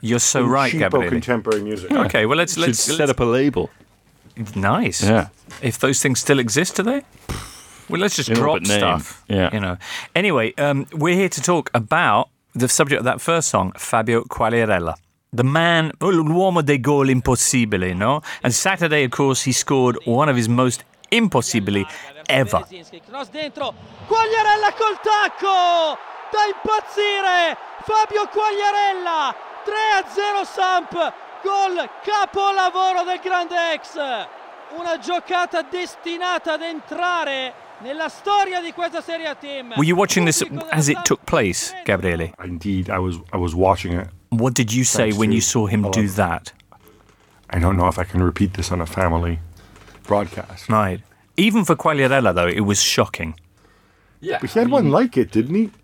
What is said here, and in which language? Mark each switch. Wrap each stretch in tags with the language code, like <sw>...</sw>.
<en>You're so right, cheapo Gabriele. Contemporary music. Okay, well let's set up a label. Nice. Yeah. If those things still exist, do they? Well, let's just drop stuff. Yeah. You know. Anyway, we're here to talk about the subject of that first song, Fabio Quagliarella. The man,</en> <it>l'uomo dei gol impossibile, no?</it> <en>And Saturday, of course, he scored one of his most impossibili ever.</en> <it>Cross dentro, Quagliarella col tacco! Da impazzire! Fabio Quagliarella! 3-0 Samp! Gol capolavoro del grande ex! Una giocata destinata ad entrare nella storia di questa Serie A team!</it> <en>Were you watching this as it took place, Gabriele? Indeed, I was watching it. What did you say when you saw him do that? I don't know if I can repeat this on a family broadcast. Right. Even for Quagliarella, though, it was shocking. Yeah. But he had one like it, didn't he?</en>